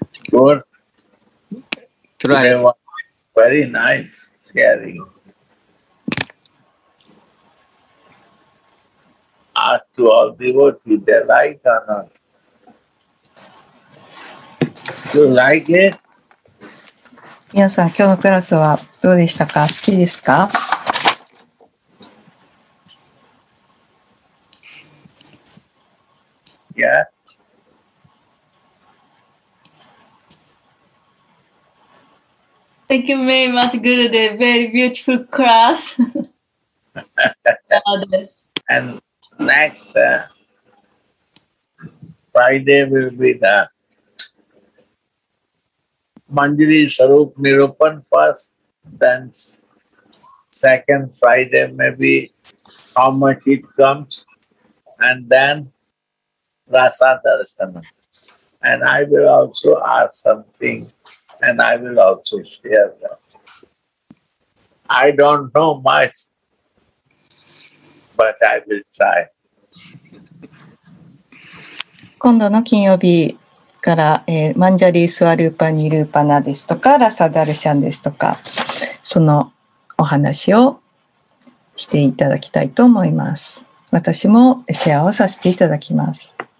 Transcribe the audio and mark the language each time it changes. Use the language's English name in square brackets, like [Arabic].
[English] Good? Try. Very nice sharing. Ask to all devotees, they like or not? You like it? [Japanese] 皆さん、今日のクラスはどうでしたか？好きですか？ [English] Yeah. Thank you very much, Gurudev. Very beautiful class. And next, Friday will be the Manjari Sarup Nirupan first, then second Friday maybe how much it comes, and then Rasa Darshana. And I will also ask something, and I will also share that. I don't know much, but I will try. [Japanese] 今度の金曜日から、マンジャリースワルーパニルーパナですとかラサダルシャンですとかそのお話をしていただきたいと思います。私もシェアをさせていただきます。